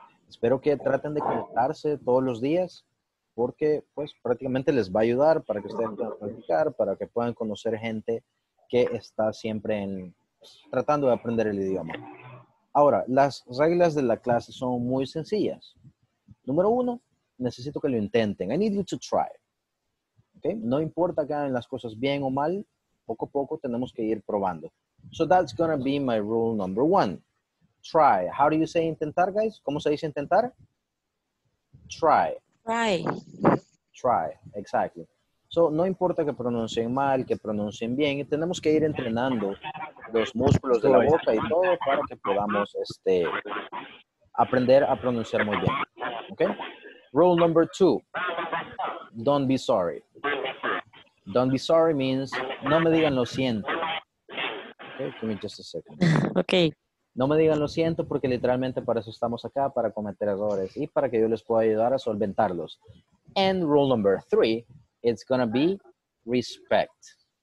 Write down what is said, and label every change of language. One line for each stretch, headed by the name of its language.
Spanish: Espero que traten de conectarse todos los días, porque pues prácticamente les va a ayudar para que ustedes puedan practicar, para que puedan conocer gente que está siempre en, tratando de aprender el idioma. Ahora, las reglas de la clase son muy sencillas. Número uno, necesito que lo intenten. I need you to try. Okay? No importa que hagan las cosas bien o mal, poco a poco tenemos que ir probando.
English: So that's going to be my rule number one. Try. How do you say intentar, guys? ¿Cómo se dice intentar? Try. Try. Try, exactly.
Spanish: So, no importa que pronuncien mal, que pronuncien bien, tenemos que ir entrenando los músculos de la boca y todo para que podamos aprender a pronunciar muy bien.
English: Okay? Rule number two, don't be sorry. Don't be sorry means, no me digan lo siento. Okay, give me just a second. Okay.
Spanish: No me digan lo siento porque literalmente para eso estamos acá, para cometer errores y para que yo les pueda ayudar a solventarlos.
English: And rule number three, it's going to be respect.